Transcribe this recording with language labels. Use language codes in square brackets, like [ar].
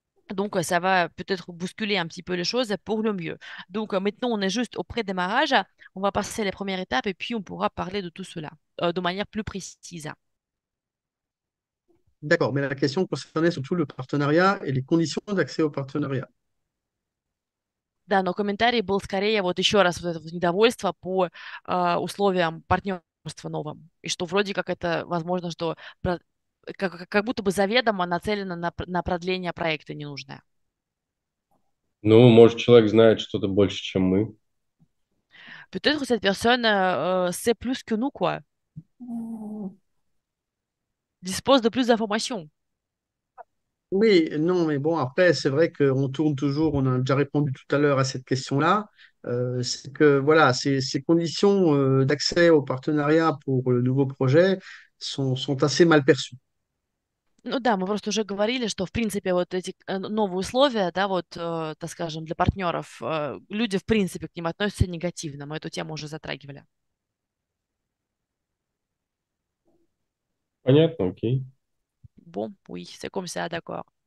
[fr] Donc, ça va peut-être bousculer un petit peu les choses pour le mieux. Donc, maintenant, on est juste au pré-démarrage. On va passer les premières étapes et puis on pourra parler de tout cela de manière plus précise. D'accord, mais la question concernait surtout le partenariat et les conditions d'accès au partenariat. [ru] Да, но комментарий был скорее вот еще раз вот это недовольство по условиям партнерства новым. И что вроде как это возможно, что как будто бы заведомо нацелено на продление проекта ненужное. Ну, может, человек знает что-то больше, чем мы. [fr] Peut-être que cette personne sait plus que nous, quoi. Dispose de plus d'informations. Oui, non, mais bon, après, c'est vrai qu'on tourne toujours, on a déjà répondu tout à l'heure à cette question-là. C'est que, voilà, ces conditions d'accès au partenariat pour le nouveau projet sont assez mal perçues. [ru] Ну да, мы просто уже говорили, что в принципе вот эти новые условия, да, вот, так скажем, для партнеров, люди в принципе к ним относятся негативно. Мы эту тему уже затрагивали. Понятно, окей. [fr] Bon, oui, c'est comme ça, d'accord.